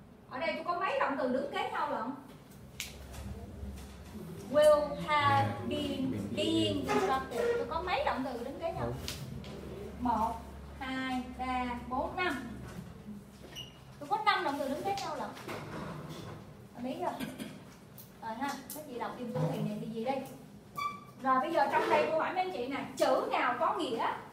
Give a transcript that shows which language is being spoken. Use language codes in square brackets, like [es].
[vi] Ở đây tôi có mấy động từ đứng kế nhau lận? [en] Will have been being constructed. [vi] Tôi có mấy động từ đứng kế nhau? 1, 2, 3, 4, 5. Tôi có 5 động từ đứng kế nhau lận. Mấy rồi? Rồi ha, các chị đọc tìm tôi thì này thì gì đây? Rồi bây giờ trong đây cô hỏi mấy anh chị nè, chữ nào có nghĩa?